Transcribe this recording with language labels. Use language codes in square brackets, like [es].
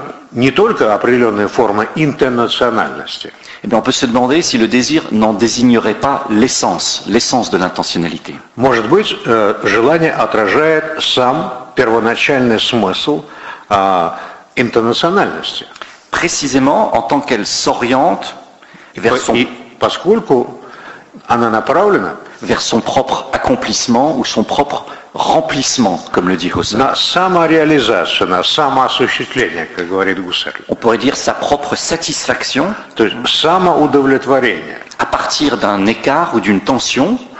[ru] Не только определенная форма интернациональности. [fr] Eh bien, on peut se demander si le désir n'en désignerait pas l'essence de l'intentionnalité. [ru] Может быть, желание отражает сам первоначальный смысл интернациональности. [fr] Précisément en tant qu'elle s'oriente vers son... [ru] поскольку она направлена [fr] vers son propre accomplissement ou son propre remplissement, comme le dit Husserl. [ru] На самореализацию, на самоосуществление, как говорит Гуссерль. [fr] On pourrait dire sa propre satisfaction. [ru] То есть самоудовлетворение. [fr] À partir d'un écart ou d'une tension.